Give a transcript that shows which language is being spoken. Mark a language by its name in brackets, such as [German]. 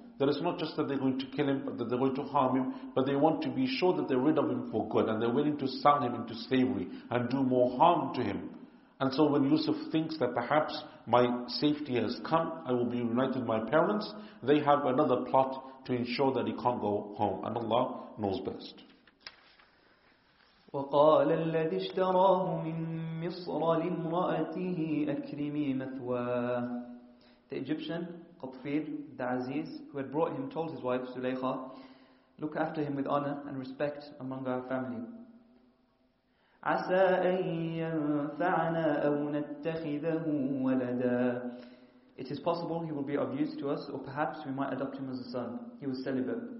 [English] That it's not just that they're going to kill him, but that they're going to harm him, but they want to be sure that they're rid of him for good, and they're willing to sell him into slavery and do more harm to him. And so when Yusuf thinks that perhaps my safety has come, I will be reunited with my parents, they have another plot to ensure that he can't go home, and Allah knows best. [Arabic] وقال الذي اشتراه من مصر لامرأته أكرمي مثواه [English] The Egyptian, Qatfir, the Aziz, who had brought him, told his wife, Zulaykha, look after him with honor and respect among our family. [Arabic] عَسَىٰ أَن يَنْفَعَنَا أَوْ نَتَّخِذَهُ وَلَدًا [English] It is possible he will be of use to us, or perhaps we might adopt him as a son. He was celibate.